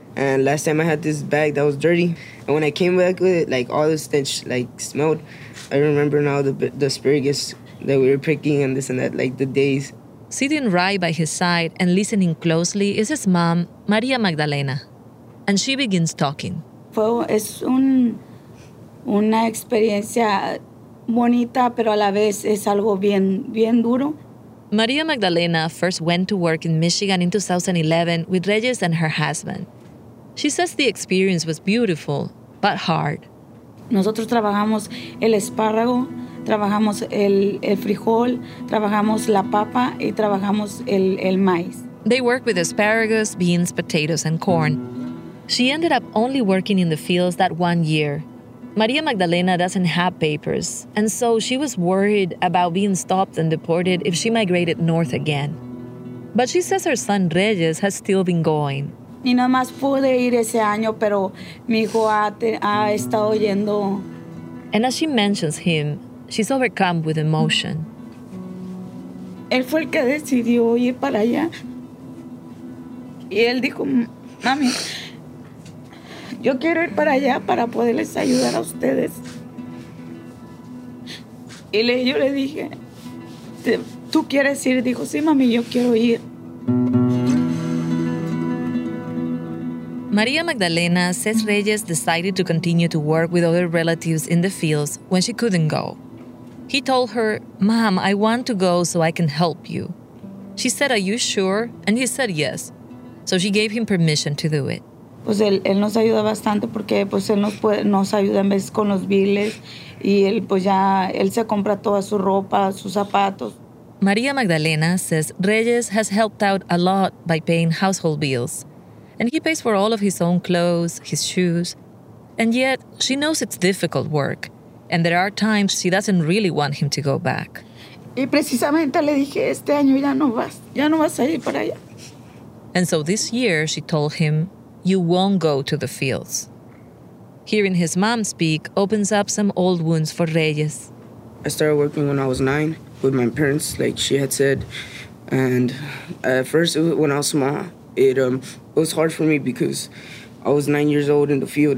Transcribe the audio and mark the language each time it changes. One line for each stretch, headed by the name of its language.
English: And last time I had this bag that was dirty. And when I came back with it, like, all the stench, like, smelled. I remember now the asparagus that we were picking and this and that, like, the days. Sitting right by his side and listening closely is his mom, Maria Magdalena, and she begins talking.
Spanish: Es una experiencia bonita, pero a la vez es algo bien duro.
English: Maria Magdalena first went to work in Michigan in 2011 with Reyes and her husband. She says the experience was beautiful, but hard.
Spanish: Nosotros trabajamos el espárrago. Trabajamos el frijol, trabajamos la papa, y trabajamos el maíz.
English: They work with asparagus, beans, potatoes, and corn. She ended up only working in the fields that 1 year. Maria Magdalena doesn't have papers, and so she was worried about being stopped and deported if she migrated north again. But she says her son Reyes has still been going.
Spanish: Y no más pude ir ese año, pero mi hijo ha estado yendo.
English: And as she mentions him, she's overcome with emotion.
Spanish: Él fue el que decidió ir para allá. Y él dijo, mami, yo quiero ir para allá para poderles ayudar a ustedes. Y yo le dije, ¿tú quieres ir? Dijo, sí, mami, yo quiero ir.
English: Maria Magdalena says Reyes decided to continue to work with other relatives in the fields when she couldn't go. He told her, Mom, I want to go so I can help you. She said, are you sure? And he said yes. So she gave him permission to do it.
Spanish: Pues él nos ayuda bastante porque pues él nos ayuda en veces con los biles y él pues ya, él se compra toda su ropa, sus zapatos.
English: Maria Magdalena says Reyes has helped out a lot by paying household bills. And he pays for all of his own clothes, his shoes. And yet, she knows it's difficult work. And there are times she doesn't really want him to go back.
Spanish: Y precisamente le dije, este año ya no vas a ir para allá.
English: And so this year, she told him, you won't go to the fields. Hearing his mom speak opens up some old wounds for Reyes. I started working when I was 9 with my parents, like she had said. And at first, when I was small, it was hard for me because I was 9 years old in the field.